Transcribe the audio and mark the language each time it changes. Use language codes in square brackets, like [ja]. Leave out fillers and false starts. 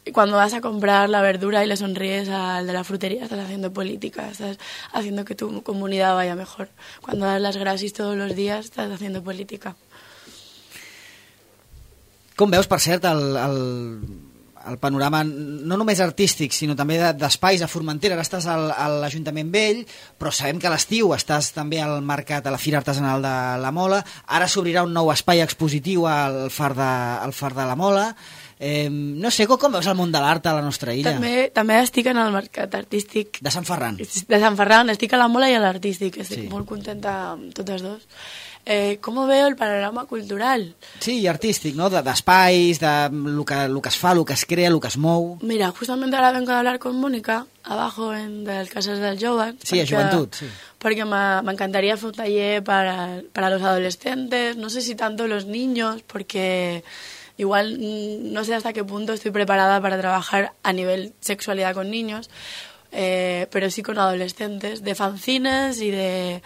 [es] Cuando vas a comprar la verdura y le sonríes al de la frutería, estás haciendo política, estás haciendo que tu comunidad vaya mejor. Cuando das las gracias todos los días, estás haciendo política. [ca] Com veus, per cert, el panorama no només artístic, sinó també d'espais a Formentera? Ara estàs a l'Ajuntament Vell, però sabem que a l'estiu estàs també al mercat, a la Fira Artesanal de la Mola. Ara s'obrirà un nou espai expositiu al far de la Mola. No sé, com veus el món de l'art a la nostra illa? També estic en el mercat artístic. De Sant Ferran. De Sant Ferran, estic a la Mola i a l'artístic. Estic molt contenta amb totes dues. Com veu el panorama cultural? Sí, i artístic, no? D'espais, de el que es fa, el que es crea, el que es mou. [es] Mira, [ca] justament ara [es] vengo a hablar con Mónica, abajo en las casas del joven. [ca] Sí, perquè, a joventut. Sí. Perquè m'encantaria fer un taller per a [es] los adolescentes, no sé si tanto los niños, porque igual no sé hasta qué punto estoy preparada para trabajar a nivel sexualidad con niños, pero sí con adolescentes, de fanzines y de...